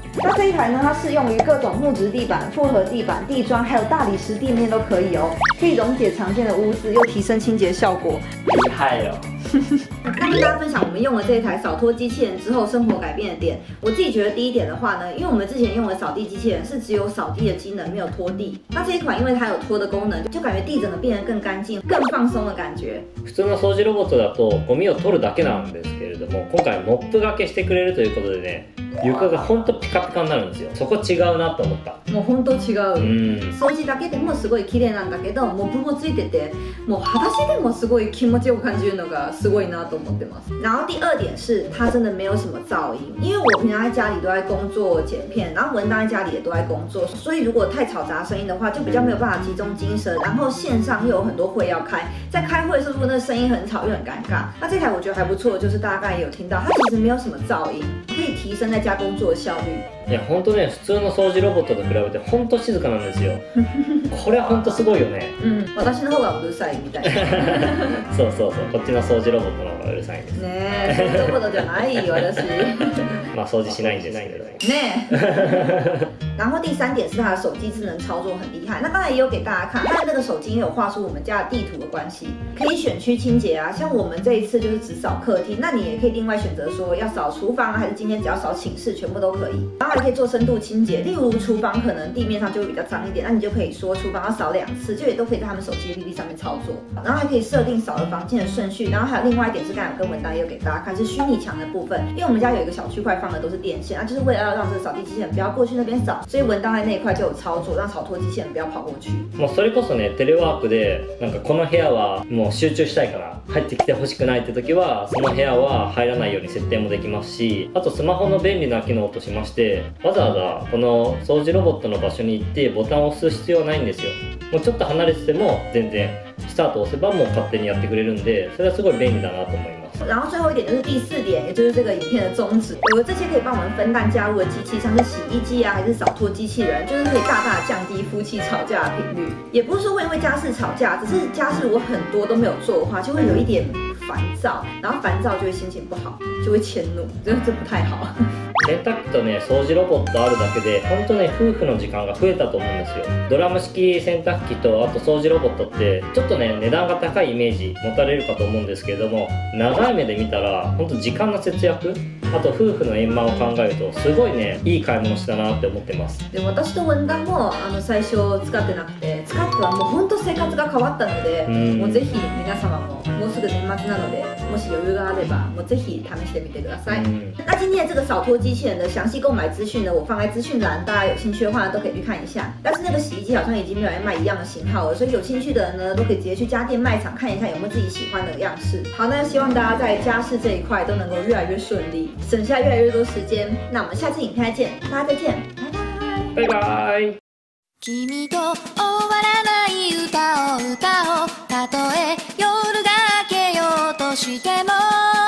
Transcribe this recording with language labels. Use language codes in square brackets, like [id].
[zh] 那这一台呢，它适用于各种木质地板、复合地板、地砖，还有大理石地面都可以哦，可以溶解常见的污渍，又提升清洁效果，厉害哦。那跟大家分享我们用了这台扫拖机器人之后生活改变的点。我自己觉得第一点的话呢，因为我们之前用的扫地机器人是只有扫地的机能，没有拖地。那这一款因为它有拖的功能，就感觉地整个变得更干净、更放松的感觉。 [ja] 普通の掃除ロボットだとゴミを取るだけなんですけれども、今回モップがけしてくれるということでね、床が本当ピカピカになるんですよ。そこ違うなと思った。もう本当違う。掃除だけでもすごい綺麗なんだけど、モップもついてて、もう裸足でもすごい気持ちよく感じるのがすごいなと思ってます。 [zh] 然后第二点是，它真的没有什么噪音，因为我平常在家里都在工作剪片，然后文当在家里也都在工作，所以如果太吵杂声音的话，就比较没有办法集中精神。然后线上又有很多会要开，在开会是不是那声音很吵又很尴尬？那这台我觉得还不错，就是大概也有听到，它其实没有什么噪音，可以提升在。家工作的效率。 [ja] いや本当ね、普通の掃除ロボットと比べて本当静かなんですよ。これは本当すごいよね。うん、私の方がうるさいみたいな。そうそうそう、こっちの掃除ロボットの方がうるさいです。ねえ、掃除ロボットじゃないよ私。まあ掃除しないんですけどね。ねえ。 [zh] 然后第三点是他的手机智能操作很厉害。那刚才也有给大家看，他的那个手机有画出我们家的地图的关系，可以选区清洁啊。像我们这一次就是只扫客厅，那你也可以另外选择说要扫厨房，还是今天只要扫寝室，全部都可以。然后还可以做深度清洁，例如厨房可能地面上就会比较脏一点，那你就可以说厨房要扫两次，就也都可以在他们手机 APP 上面操作。然后还可以设定扫的房间的顺序。然后还有另外一点是刚才跟文达也有给大家看，是虚拟墙的部分，因为我们家有一个小区块放的都是电线啊，就是为了要让这个扫地机器人不要过去那边扫。所以文档在那一块就有操作，让扫拖机器人不要跑过去。 [ja] もうそれこそね、テレワークでなんかこの部屋はもう集中したいから入ってきてほしくないって時は、その部屋は入らないように設定もできますし、あとスマホの便利な機能としまして、わざわざこの掃除ロボットの場所に行ってボタンを押す必要はないんですよ。もうちょっと離れてても全然スタート押せばもう勝手にやってくれるんで、それはすごい便利だなと思います。 [zh] 然后最后一点就是第四点，也就是这个影片的宗旨。有了这些可以帮我们分担家务的机器，像是洗衣机啊，还是扫拖机器人，就是可以大大降低夫妻吵架的频率。也不是说会因为家事吵架，只是家事我很多都没有做的话，就会有一点烦躁，然后烦躁就会心情不好，就会迁怒，这不太好。 [ja] 洗濯機とね、掃除ロボットあるだけで、本当ね、夫婦の時間が増えたと思うんですよ。ドラム式洗濯機と、あと掃除ロボットって、ちょっとね、値段が高いイメージ持たれるかと思うんですけれども、長い目で見たら、本当時間の節約、あと夫婦の円満を考えると、すごいね、いい買い物したなって思ってます。で、私と文旦も、最初使ってなくて、使ってはもう本当生活が変わったので、もうぜひ皆様も、もうすぐ年末なので、もし余裕があれば、もうぜひ試してみてください。 [zh] 那今天的这个扫拖机器人的详细购买资讯呢，我放在资讯栏，大家有兴趣的话都可以去看一下。但是那个洗衣机好像已经没有卖一样的型号了，所以有兴趣的人呢，都可以直接去家电卖场看一下有没有自己喜欢的样式。好，那希望大家在家事这一块都能够越来越顺利，省下越来越多时间。那我们下次影片再见，大家再见，拜拜，拜拜。 [ja] 君と終わらない歌を歌おう。たとえ夜が明けようとしても。